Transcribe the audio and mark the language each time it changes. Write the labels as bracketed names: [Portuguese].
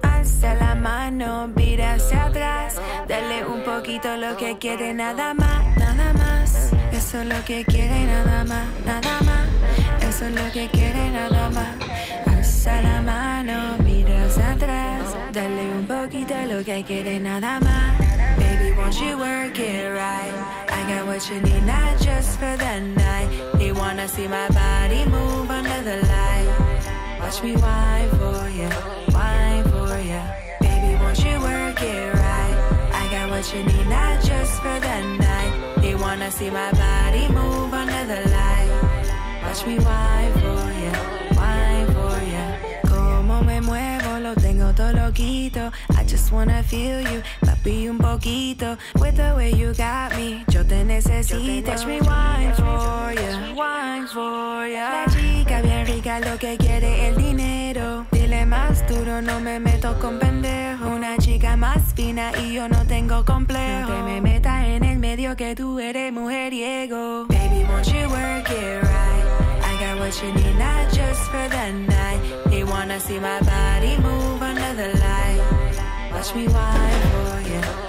[Spanish] Alza la mano, vira hacia atrás. Dale un poquito lo que quiere, nada más, nada más. Eso es lo que quiere, nada más, nada más. Eso es lo que quiere, nada más. Alza la mano, vira hacia atrás. Dale un poquito lo que quiere, nada más. [English] Baby, won't you work it right? I got what you need, not just for the night. He wanna see my body move under the light. Watch me whine for ya, whine for ya. Baby, won't you work it right? I got what you need, not just for the night. He wanna see my body move under the light. Watch me whine for ya, whine for ya. [Spanish] Como me muevo, lo tengo todo loquito. [English] I just wanna feel you. [Spanish] Un poquito, [English] with the way you got me, [Spanish] yo te necesito. [English] Watch me whine for ya, whine for ya. [Spanish] La chica bien rica, lo que quiere el dinero. Dile más duro, no me meto con pendejo. Una chica más fina y yo no tengo complejo. No te me metas en el medio, que tú eres mujeriego. [English] Baby, won't you work it right? I got what you need, not just for the night. He wanna see my body move under the light. Watch me whine for ya.